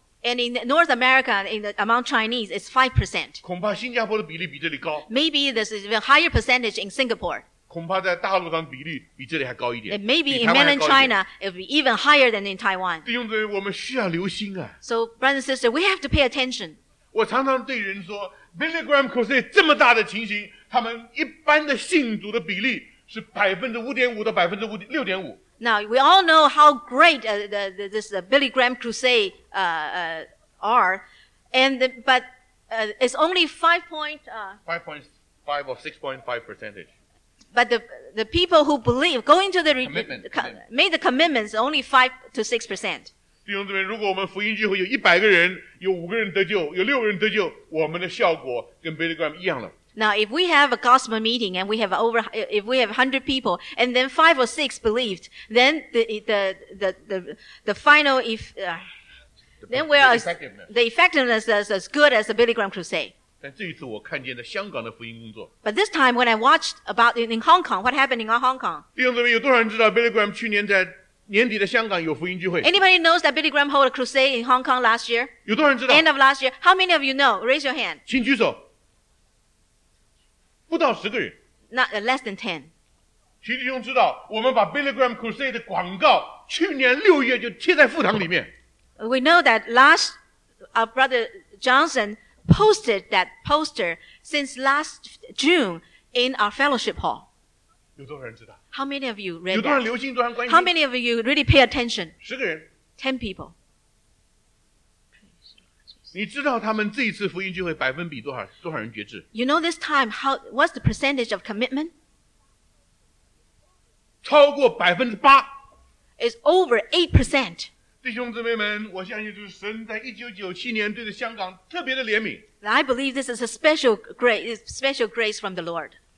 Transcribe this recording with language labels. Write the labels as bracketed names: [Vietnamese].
[English] And in North America, among Chinese, it's 5%. [Chinese] 恐怕新加坡的比例比这里高。 [English] Maybe there's an even higher percentage in Singapore. [Chinese] 恐怕在大陆上比例比这里还高一点。 [English] And maybe in mainland China, it will be even higher than in Taiwan. [Chinese] 弟兄姊妹，我们需要留心啊。 [English] So, brothers and sisters, we have to pay attention. [Chinese] 我常常对人说， Billy Graham Crusade 这么大的情形，他们一般的信徒的比例是 5.5% 到 6.5%。 [English] Now, we all know how great this Billy Graham Crusade are, but it's only 5.5% or 6.5%. But the people who believe, going to the commitment, made the commitments only 5-6%. [Chinese] 弟兄姊妹，如果我们福音聚会有100个人，有5个人得救，有6个人得救，我们的效果跟 Billy Graham 一样了。 [English] Now, if we have a gospel meeting and if we have 100 people and then 5 or 6 believed, then the effectiveness is as good as the Billy Graham crusade. [Chinese] 但这一次我看见了香港的福音工作。 [English] But this time when I watched about in Hong Kong, what happened in Hong Kong? [Chinese] 弟兄姊妹，有多少人知道 Billy Graham 去年在年底的香港有福音聚会？ [English] Anybody knows that Billy Graham held a crusade in Hong Kong last year? [Chinese] 有多少人知道？ [English] End of last year. How many of you know? Raise your hand. [Chinese] 请举手。不到十个人。 [English] Not less than ten. [Chinese] 其弟兄知道，我们把 Billy Graham Crusade 的广告去年六月就贴在副堂里面。 [English] We know that last our brother Johnson posted that poster since last June in our fellowship hall. [Chinese] 有多少人知道？ [English] How many of you read? [Chinese] 有多少人留心，多少人关心？ [English] How many of you really pay attention? [Chinese] 十个人。 [English] Ten people. [Chinese] 你知道他们这一次福音聚会百分比多少人决志？ [English] You know this time how what's the percentage of commitment? [Chinese] 超过百分之八。 [English] It's over 8%. [Chinese] 弟兄姊妹们，我相信就是神在1997年对着香港特别的怜悯。 [English] I believe this is a special grace from the Lord.